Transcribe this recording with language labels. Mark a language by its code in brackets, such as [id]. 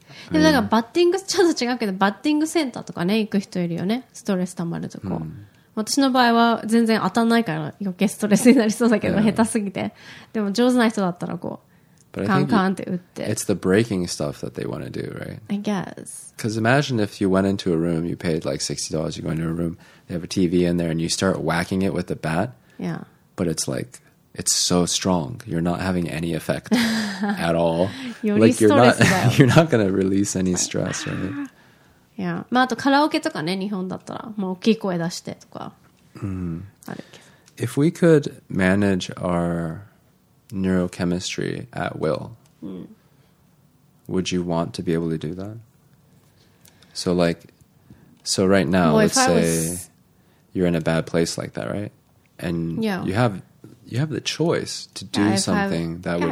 [en] I mean, [ja] バッティングちょっと違うけど、バッティングセンターとかね、行く人いるよね。ストレス溜まるとこ。私の場合は全然当たんないから余計ストレスになりそうだけど、yeah. 下手すぎて。でも上手な人だったらこう、カンカンって打って。 [en] It's the breaking stuff that they want to do, right? I guess. Because imagine if you went into a room, you paid like $60, you go into a room, they have a TV in there and you start whacking it with a bat. Yeah. But it's like, it's so strong. You're not having any effect at all. [ja] よりストレスだよ。 [en] Like you're not going to release any stress, right? [ja] いや、まああとカラオケとかね、日本だったらもう大きい声出してとか、あるけど。 [en] If we could manage our neurochemistry at will, would you want to be able to do that? So like, so right now, well, let's say you're in a bad place like that, right? And you have the choice to do something that would.